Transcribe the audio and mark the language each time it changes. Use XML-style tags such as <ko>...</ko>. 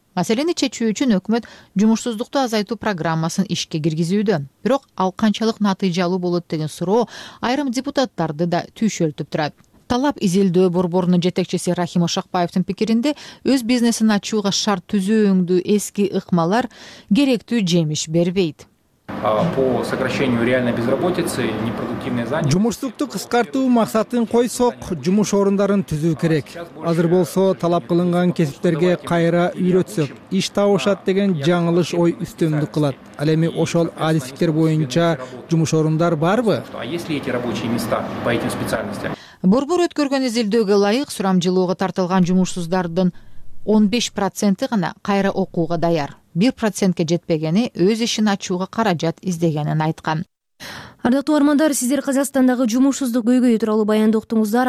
<ky>Маселени чечүү үчүн өкмөт жумушсуздукту азайтуу программасын ишке киргизүүдө. Бирок ал канчалык натыйжалуу болот деген суроо айрым депутаттарды да түйшөлтүп турат. Талап изилдөө борборунун жетекчиси Рахим Ошакбаевдин пикиринде өз бизнесин ачууга шарт түзүүңдү эски ыкмалар керектүү жемиш бербейт.</ky> <ru>По сокращению реальной безработицы, непродуктивной занятости.</ru> <ky>Жумушсуздукту кыскартуу максатын койсок, жумуш орундарын түзүү керек. Азыр болсо талап кылынган кесиптерге кайра үйрөтсөк, иш табышат деген жаңылыш ой үстөмдүк кылат. Ал эми ошол адистиктер боюнча жумуш орундар барбы?</ky> <ru>А если эти рабочие места по этим специальностям?</ru> <ky>Борбор өткөргөн изилдөөгө ылайык сурамжылоого тартылган жумушсуздардын 15% гана кайра окууга даяр. 1%ке жетпегени өз ишин ачууга каражат издегенин айткан. Ардактуу армандар, сиздер Казакстандагы жумушсуздук көйгөйү тууралуу баяндоктуңуздар.</ky>